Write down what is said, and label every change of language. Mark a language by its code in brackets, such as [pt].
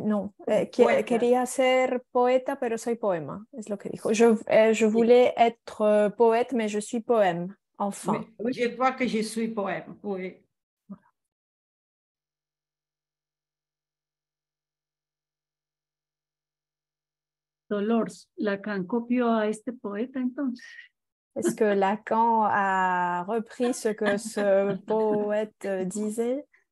[es] Non, quería ser poeta, pero soy poema, es lo que dijo. [fr] Je voulais être poète, mais je suis poème, enfin. Oui. Je crois que je suis poème, oui. [es] Dolores, Lacan copió a este poeta, entonces. [fr] Est-ce que Lacan a repris ce que ce poète disait?